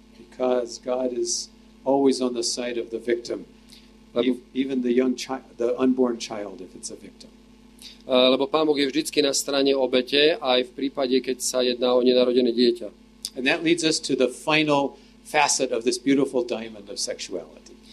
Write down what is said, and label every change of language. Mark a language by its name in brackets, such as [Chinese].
[English] Because God is always on the side of the victim. Even the young child, the unborn child, if it's a victim. [Slovak] Lebo Pán Boh je vždycky na strane obete, aj v prípade, keď sa jedná o nenarodené dieťa. [English] And that leads us to the final facet of this beautiful diamond of sexuality.